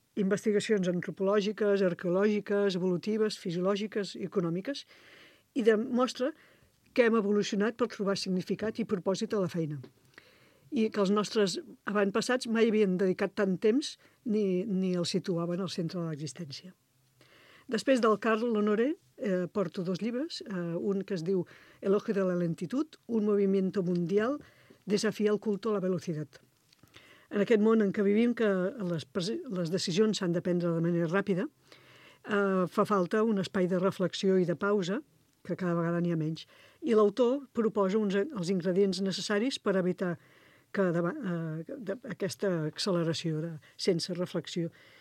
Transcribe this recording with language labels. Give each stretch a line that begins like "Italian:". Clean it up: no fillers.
Catalan: investigacions antropològiques, arqueològiques, evolutives, fisiològiques i econòmiques, i demostra que hem evolucionat per trobar significat i propòsit a la feina. I que els nostres avantpassats mai havien dedicat tant temps ni el situaven al centre de l'existència. Després del Carl Honoré, porto dos llibres, un que es diu
Spanish: Elogio de la lentitud, un movimiento mundial desafía el culto a la velocidad.
Catalan: En aquest món en què vivim, que les decisions s'han de prendre de manera ràpida, fa falta un espai de reflexió i de pausa, que cada vegada n'hi ha menys. I l'autor proposa els ingredients necessaris per evitar que aquesta acceleració sense reflexió.